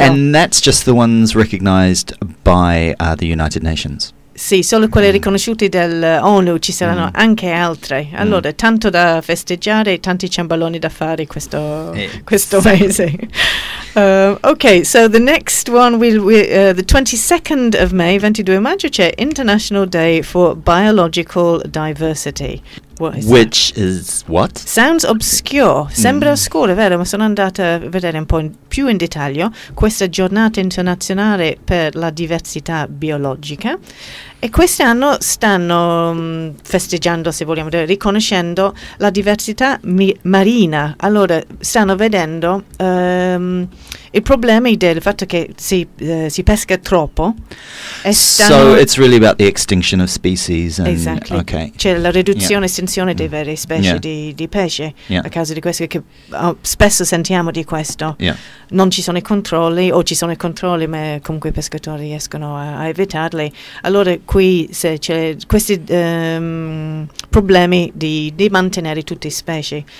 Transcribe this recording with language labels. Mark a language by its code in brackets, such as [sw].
[en] And that's just the ones recognized by the United Nations. [it] Sì, solo quelle riconosciute dell'ONU, ci saranno anche altre. Allora, tanto da festeggiare, tanti ciambaloni da fare questo mese. [en] Okay, so the next one, the 22nd of May, [it] 22 maggio, c'è [en] International Day for Biological Diversity. Which is what? Sounds obscure. [it] Sembra oscuro, vero? Ma sono andata a vedere un po' più in dettaglio questa giornata internazionale per la diversità biologica. E quest'anno stanno festeggiando, se vogliamo dire, riconoscendo la diversità marina. Allora, stanno vedendo il problema del fatto che si pesca troppo. [en] E so it's really about the extinction of species. And exactly. Okay. [it] C'è la riduzione e estinzione dei vere specie di pesce a causa di questo, che spesso sentiamo di questo. [en] Yeah. [it] Non ci sono i controlli, o ci sono i controlli, ma comunque i pescatori riescono a evitarli. Allora, qui se c'è questi problemi di mantenere tutte le specie.